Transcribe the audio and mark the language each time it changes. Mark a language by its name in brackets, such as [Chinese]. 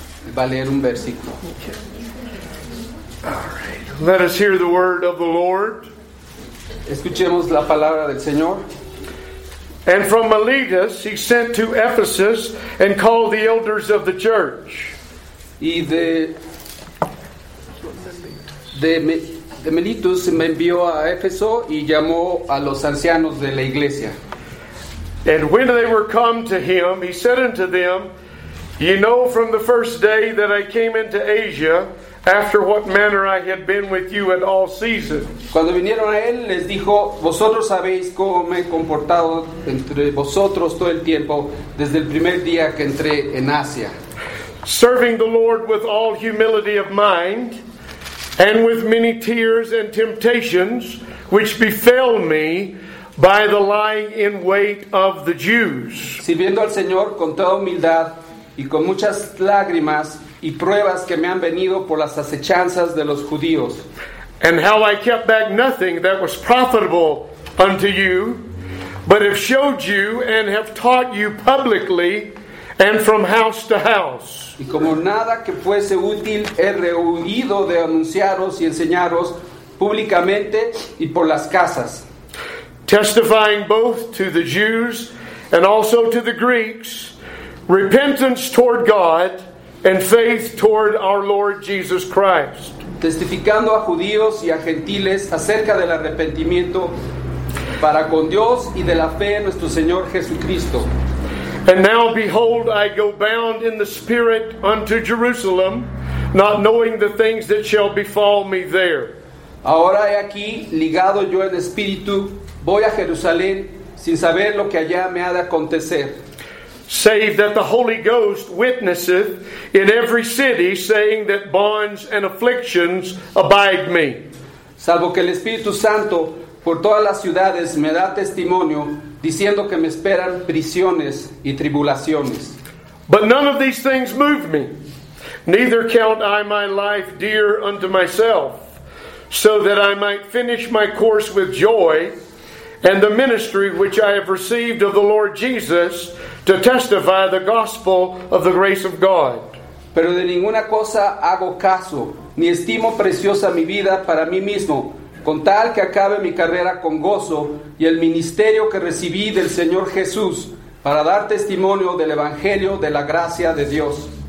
[Spanish] Va a leer un versículo. [English] Okay. All right. Let us hear the word of the Lord. [Spanish] Escuchemos la palabra del Señor. [English] And from Miletus he sent to Ephesus and called the elders of the church. [Spanish] Y de Miletus me envió a Éfeso y llamó a los ancianos de la iglesia. [English] And when they were come to him, he said unto them, ye know from the first day that I came into Asia, after what manner I had been with you at all seasons. [Spanish] Cuando vinieron a él, les dijo, vosotros sabéis cómo me he comportado entre vosotros todo el tiempo, desde el primer día que entré en Asia. [English] Serving the Lord with all humility of mind, and with many tears and temptations, which befell me by the lying in wait of the Jews. [Spanish] Sirviendo al Señor con toda humildad y con muchas lágrimas, y pruebas que me han venido por las acechanzas de los judíos. [English] And how I kept back nothing that was profitable unto you, but have showed you and have taught you publicly and from house to house. [Spanish] Y como nada que fuese útil he rehuido de anunciaros y enseñaros públicamente y por las casas. [English] Testifying both to the Jews and also to the Greeks, repentance toward God and faith toward our Lord Jesus Christ. [Spanish] Testificando a judíos y a gentiles acerca del arrepentimiento para con Dios y de la fe en nuestro Señor Jesucristo. [English] And now behold, I go bound in the Spirit unto Jerusalem, not knowing the things that shall befall me there. [Spanish] Ahora he aquí, ligado yo en espíritu, voy a Jerusalén sin saber lo que allá me ha de acontecer. [English] Save that the Holy Ghost witnesseth in every city, saying that bonds and afflictions abide me. [Spanish] Salvo que el Espíritu Santo por todas las ciudades me da testimonio, diciendo que me esperan prisiones y tribulaciones. [English] But none of these things move me, neither count I my life dear unto myself, so that I might finish my course with joy, and the ministry which I have received of the Lord Jesus to testify the gospel of the grace of God. [Spanish] Pero de ninguna cosa hago caso, ni estimo preciosa mi vida para mí mismo, con tal que acabe mi carrera con gozo y el ministerio que recibí del Señor Jesús para dar testimonio del evangelio de la gracia de Dios.